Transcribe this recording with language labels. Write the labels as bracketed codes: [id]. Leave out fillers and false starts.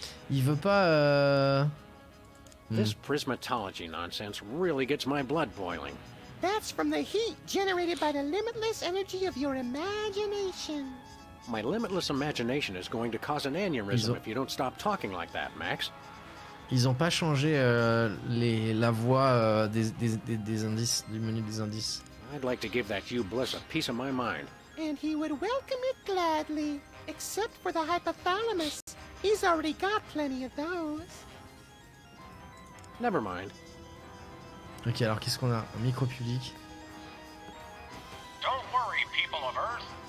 [fr] Il veut pas. [en] This prismatology nonsense really gets my blood boiling. That's from the heat generated by the limitless energy of your imagination. My limitless imagination is going to cause an aneurysm if you don't stop talking like that, Max. [fr] Ils ont pas changé la voix des indices, du menu des indices. [en] I'd like to give that Hugh Bliss a piece of my mind. And he would welcome it gladly, except for the hypothalamus. He's already got plenty of those. Never mind. [fr] Ok, alors qu'est-ce qu'on a? Un micro public. [en] Don't worry, people of Earth.